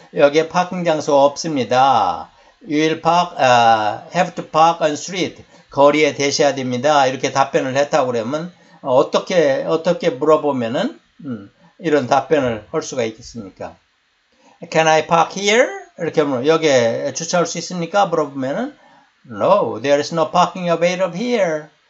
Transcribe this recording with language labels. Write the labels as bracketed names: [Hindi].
[Korean] 여기에 파킹 장소 없습니다. [English] You will park, have to park on street. [Korean] 거리에 대셔야 됩니다. 이렇게 답변을 했다고 그러면, 어떻게 물어보면은, 이런 답변을 할 수가 있겠습니까? [English] Can I park here? [Korean] 이렇게 물어, 여기에 주차할 수 있습니까? 물어보면은, [English] No, there is no parking available here.